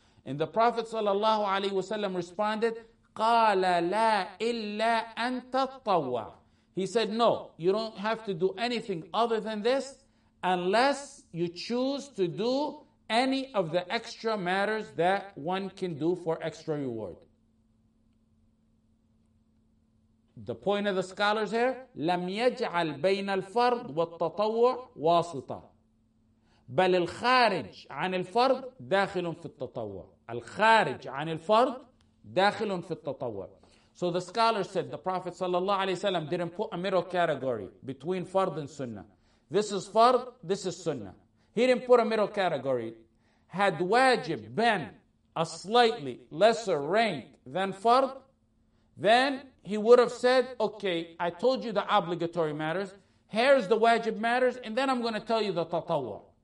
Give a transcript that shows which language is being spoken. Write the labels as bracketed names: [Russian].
[English] And the Prophet sallallahu alaihi wasallam responded, قَالَ لَا إِلَّا أَن تَطَّوَّعَ. He said, no, you don't have to do anything other than this unless you choose to do any of the extra matters that one can do for extra reward. [Arabic] The point of the scholars here, لَمْ يَجْعَلْ بَيْنَ الْفَرْضِ وَالتَّطَوَّعَ وَاسِطَةً بَلِ الْخَارِجِ عَنِ الْفَرْضِ دَاخِلٌ فِي التَّطَوَّعَ. الْخَارِجِ عَنِ الْفَرْضِ دَاخِلٌ فِي التَّطَوَّعَ. [English] So the scholar said the Prophet sallallahu alaihi wasallam didn't put a middle category between fard and sunnah. This is fard, this is sunnah. He didn't put a middle category. Had wajib been a slightly lesser rank than fard, then he would have said, okay, I told you the obligatory matters, here's the wajib matters, and then I'm going to tell you the tatawwa.